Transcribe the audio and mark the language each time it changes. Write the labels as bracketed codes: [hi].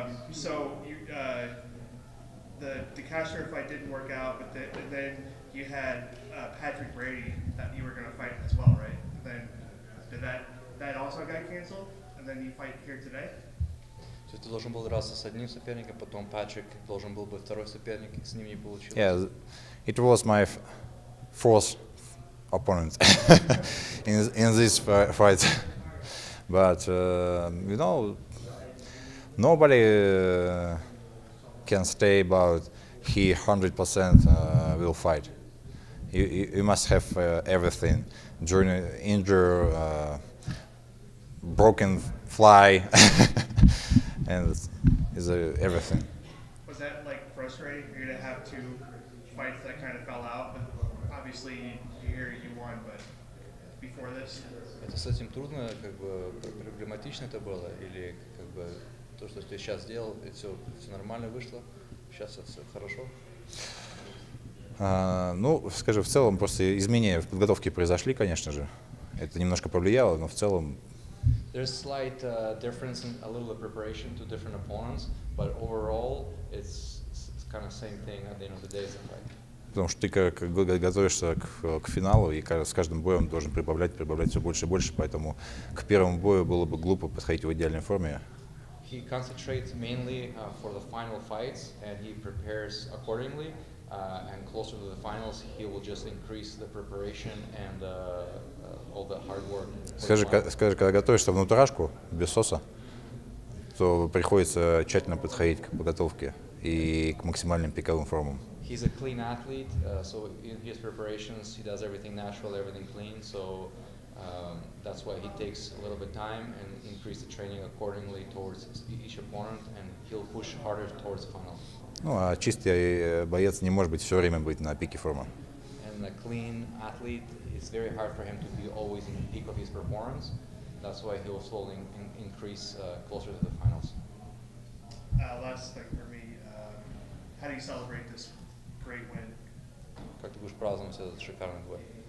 [en] So you, the Castro fight didn't work out, but then you had Patrick Brady that you were going to fight as well, right? And then did that also got canceled? [ru] То есть ты должен был драться с одним соперником, потом Патрик должен был быть второй соперник, с ним не получилось. [en] Yeah, it was my fourth opponent in this fight. But you know, nobody can stay about he 100% will fight. You must have everything during injury, broken fly, and is everything. Was that like frustrating for you to have two fights that kind of fell out? But obviously, here you won, but before this. [ru] Это с этим трудно, как бы проблематично это было, или как бы то, что ты сейчас сделал, это все нормально вышло, сейчас все хорошо. Ну, скажу, в целом просто изменения в подготовке произошли, конечно же. Это немножко повлияло, но в целом. [en] There's a slight difference in a little preparation to different opponents, but overall it's kind of same thing at the end of the day, it's like. [ru] Потому что ты как готовишься к финалу и с каждым боем должен прибавлять все больше и больше, поэтому к первому бою было бы глупо подходить в идеальной форме. [en] He concentrates mainly for the final fights and he prepares accordingly. And closer to the finals, he will just increase the preparation and all the hard work. [ru] Скажи, когда готовишься в нутрашку без соса, то приходится тщательно подходить к подготовке и к максимальным пиковым формам. [en] He's a clean athlete, so in his preparations, he does everything natural, everything clean. So that's why he takes a little bit of time and increase the training accordingly towards each opponent, and he'll push harder towards the final. [ru] Ну, а чистый боец не может быть все время быть на пике формы. [en] And a clean athlete, it's very hard for him to be always in the peak of his performance. That's why he will slowly increase closer to the finals. Last thing for me, how do you celebrate this great win? [ru] Как ты будешь праздновать этот шикарный бой?